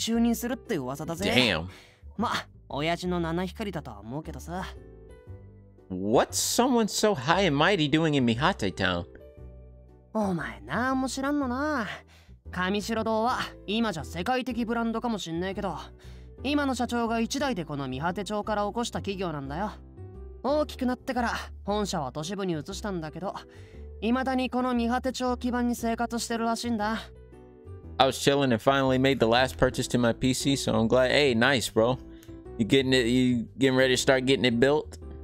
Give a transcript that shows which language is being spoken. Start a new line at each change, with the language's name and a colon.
Japanese: 20代半ばにして日本を代表する菓子メーカー上白堂の取締役に就任するって噂だぜ。
English: Damn.
Japanese: ま、親父の七光りだとは思うけどさ。
English: What's someone so high and mighty doing in Mihate Town?
Japanese: お前何も知らんのな。上白堂は今じゃ世界的ブランドかもしんないけど、今の社長が一代でこのMihate町から起こした企業なんだよ。大きくなってから本社は都市部に移したんだけど、未だにこのMihate町を基盤に生活してるらしいんだ。
English: I was chilling and finally made the last purchase to my PC, so I'm glad. Hey, nice, bro. You getting ready to start getting it built?